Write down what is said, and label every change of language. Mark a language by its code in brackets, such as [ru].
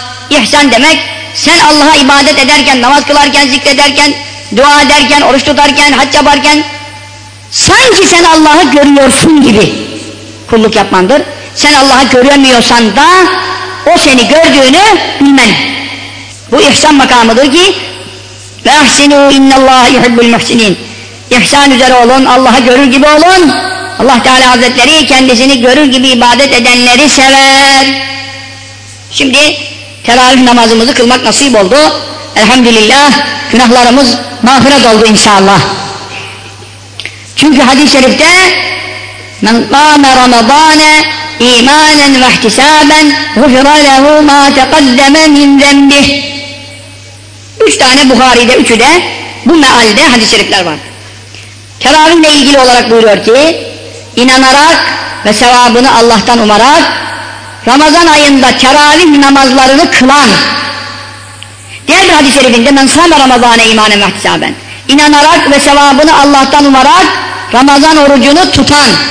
[tr] İhsan demek sen Allah'a ibadet ederken, namaz kılarken, zikrederken, dua ederken, oruç tutarken, hac yaparken sanki sen Allah'ı görüyorsun gibi kulluk yapmandır. Sen Allah'ı göremiyorsan da o seni gördüğünü bilmen. Bu ihsan makamıdır ki [ar] وَاَحْسِنُوا اِنَّ اللّٰهَ يُحِبُّ الْمُحْسِنِينَ. [tr] İhsan üzere olun, Allah'ı görür gibi olun. Allah Teala Hazretleri kendisini görür gibi ibadet edenleri sever. Şimdi teravih namazımızı kılmak nasip oldu. Elhamdülillah, günahlarımız mağfiret oldu inşallah. Çünkü hadis-i şerifte [ar] مَنْ قَامَ رَمَضَانَ اِيمَانًا وَاحْتِسَابًا غُفِرَ لَهُ مَا تَقَدَّمَ مِنْ ذَنْبِهِ. [tr] Üç tane Buhari'de, üçü de bu mealde hadis-i şerifler var. Teravihle ilgili olarak buyuruyor ki inanarak ve sevabını Allah'tan umarak Ramazan ayında teravih namazlarını kılan. Diğer bir hadis-i şerifinde [ar] men sâme Ramazan'a imanen ve ihtisaben. [tr] İnanarak ve sevabını Allah'tan umarak Ramazan orucunu tutan.